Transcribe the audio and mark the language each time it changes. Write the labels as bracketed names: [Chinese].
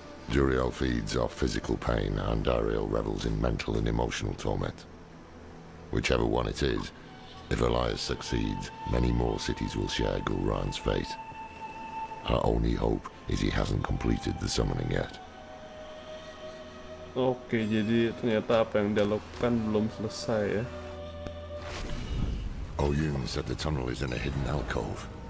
[English] Duriel feeds off physical pain, Andariel revels in mental and emotional torment. Whichever one it is, if Elias succeeds, many more cities will share Gul'ran's fate. Our only hope is he hasn't completed the summoning yet. [Indonesian] Okay, jadi ternyata apa yang dia lakukan belum selesai ya. [English] Oyun said the tunnel is in a hidden alcove.